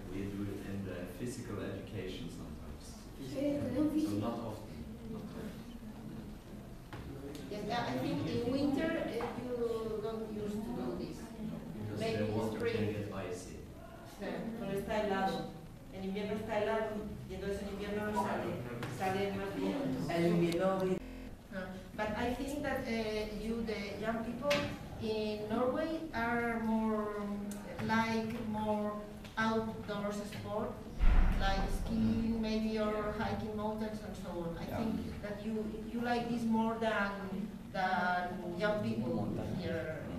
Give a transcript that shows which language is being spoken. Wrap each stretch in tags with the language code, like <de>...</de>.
<en>We do it in the physical education sometimes. So not often. Yes, I think in winter you don't use to do this. Maybe the water can get icy.</en> <es>Sí, pero está helado. En invierno está helado y entonces en invierno no sale más bien. El invierno.</es> <en>But I think that you, the young people in Norway, are more outdoors sport, like skiing, maybe or hiking mountains and so on. I think that you like this more than young people here.</en>